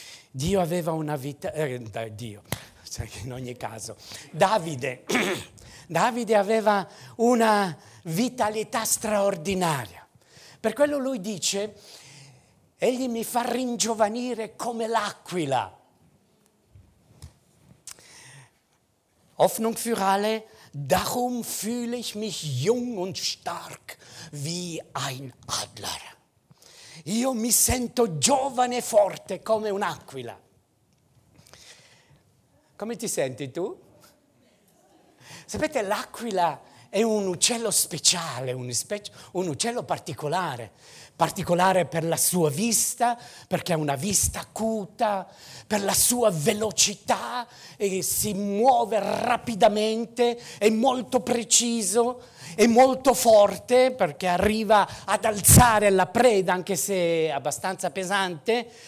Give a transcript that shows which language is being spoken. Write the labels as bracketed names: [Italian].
[Italian] Dio aveva una vita, Davide, Davide aveva una vitalità straordinaria. Per quello lui dice: egli mi fa ringiovanire come l'aquila. [German] Hoffnung für alle, darum fühle ich mich jung und stark wie ein Adler. [Italian] Io mi sento giovane e forte come un'aquila. Come ti senti tu? Sapete, l'aquila è un uccello speciale, un uccello particolare. Particolare per la sua vista, perché ha una vista acuta, per la sua velocità e si muove rapidamente, è molto preciso, è molto forte perché arriva ad alzare la preda anche se è abbastanza pesante.